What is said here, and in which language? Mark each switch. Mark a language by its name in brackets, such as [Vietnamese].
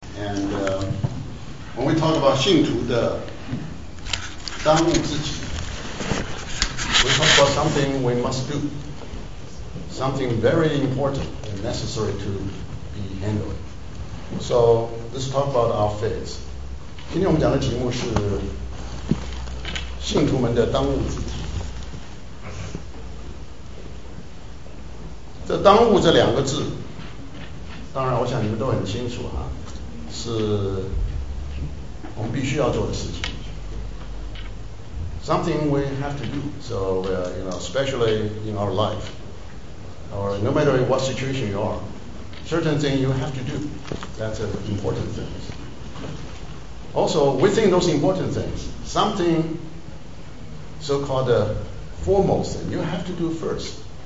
[English] And when we talk about [Chinese] 信徒的 当务之急, [English] we talk about something we must do, something very important and necessary to be handled. So let's talk about our faith. [Chinese] 今天我们讲的题目是 信徒们的当务之急。这当务这两个字, 当然我想你们都很清楚, 是我们必须要做的事情。 [English] Something we have to do. So, you know, especially in our life, or no matter in what situation you are, certain things you have to do. That's important things. Also, within those important things, something so-called the foremost thing you have to do first.